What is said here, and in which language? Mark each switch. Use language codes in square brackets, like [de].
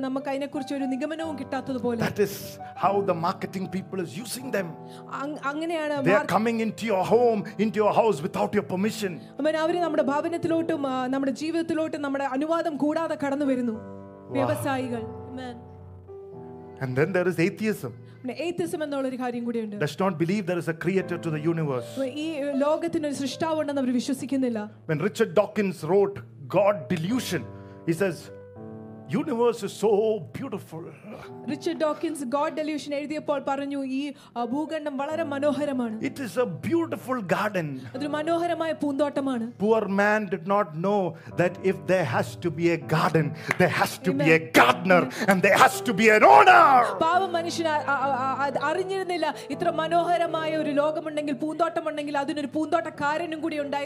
[ml] നമുക്ക് അതിനെക്കുറിച്ച് ഒരു നിഗമനവും കിട്ടാത്തതുപോലെ. [en] That is how the marketing people is using them. [ml] അങ്ങനെയാണ്. [en] They are coming into your home, into your house without your permission. [ml] അവർ നമ്മുടെ ഭവനത്തിലോട്ടും നമ്മുടെ ജീവിതത്തിലോട്ടും നമ്മുടെ അനുവാദം കൂടാതെ കടന്നു വരുന്നു വ്യവസായികൾ. [en] And then there is atheism. [ml] Atheism എന്നുള്ള ഒരു കാര്യം കൂടി ഉണ്ട്. [en] Does not believe there is a creator to the universe. [ml] ഈ ലോകത്തിന് ഒരു സൃഷ്ടാവ് ഉണ്ടെന്ന് അവർ വിശ്വസിക്കുന്നില്ല. [en] When Richard Dawkins wrote God Delusion, he says universe is so beautiful. [ml] Richard Dawkins God Delusion എഴുതിയപ്പോൾ പറഞ്ഞു ഈ ഭൂഖണ്ഡം വളരെ മനോഹരമാണ്. [en] It is a beautiful garden. [ml] അതൊരു മനോഹരമായ പൂന്തോട്ടമാണ്. [en] Poor man did not know that if there has to be a garden, there has to be a gardener and there has to be an owner. [ml] പാവ മനുഷ്യൻ അറിഞ്ഞിരുന്നില്ല ഇത്ര മനോഹരമായ ഒരു ലോകമുണ്ടെങ്കിൽ പൂന്തോട്ടമുണ്ടെങ്കിൽ അതിനൊരു പൂന്തോട്ടക്കാരനും കൂടി